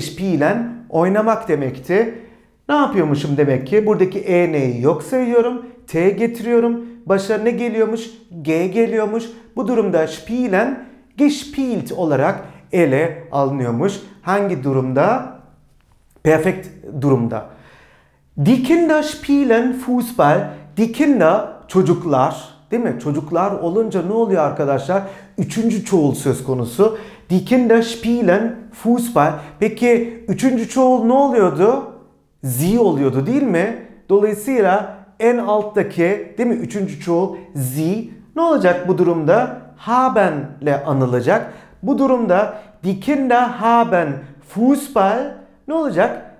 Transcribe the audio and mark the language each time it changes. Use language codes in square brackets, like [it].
[tr] Spielen oynamak demekti. Ne yapıyormuşum demek ki? Buradaki E'yi yok sayıyorum. T getiriyorum. Başa ne geliyormuş? G geliyormuş. Bu durumda spielen gespielt olarak ele alınıyormuş. Hangi durumda? Perfect durumda. [de] Die Kinder spielen Fußball. Die Kinder [tr] çocuklar, değil mi? Çocuklar olunca ne oluyor arkadaşlar? Üçüncü çoğul söz konusu. [de] Die Kinder spielen Fußball. [tr] Peki üçüncü çoğul ne oluyordu? Sie oluyordu, değil mi? Dolayısıyla en alttaki, değil mi? Üçüncü çoğul sie. Ne olacak bu durumda? Haben'le anılacak. Bu durumda [de] die Kinder haben Fußball [tr] ne olacak?